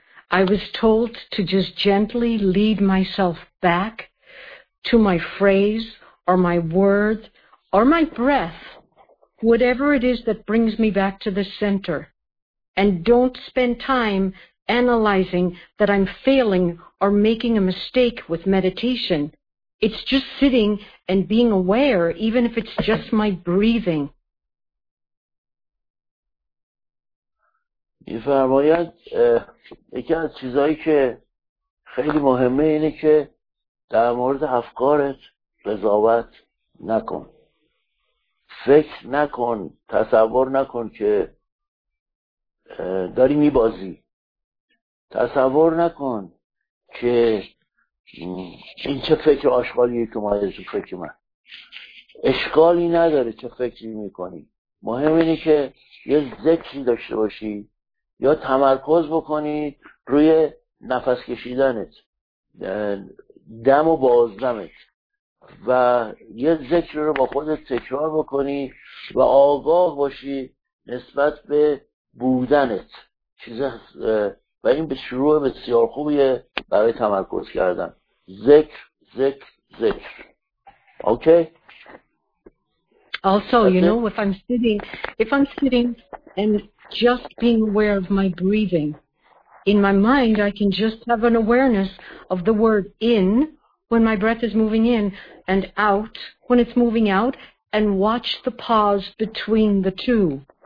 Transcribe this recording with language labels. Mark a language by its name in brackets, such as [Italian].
[English] I was told to just gently lead myself back to my phrase or my word or my breath, whatever it is that brings me back to the center, and don't spend time analyzing that I'm failing or making a mistake with meditation. It's just sitting and being aware, even if it's just my breathing. [Persian] می فرماید یکی از چیزهایی که خیلی مهمه اینه که در مورد افکارت قضاوت نکن، فکر نکن، تصور نکن که داری میبازی، تصور نکن که این چه فکر آشغالیه که مایده تو فکر من، اشکالی نداره چه فکری میکنی، مهم اینه که یه ذکری داشته باشی یا تمرکز بکنی روی نفس کشیدنت، دم و بازدمت، و یه ذکر رو با خودت تکرار بکنی و آگاه باشی نسبت به بودنت چیز هست. و این به شروع بسیار خوبیه برای تمرکز کردن. ذکر. اوکی؟ [English] Also, you know, if I'm sitting and just being aware of my breathing, in my mind I can just have an awareness of the word in when my breath is moving in and out when it's moving out, and watch the pause between the two.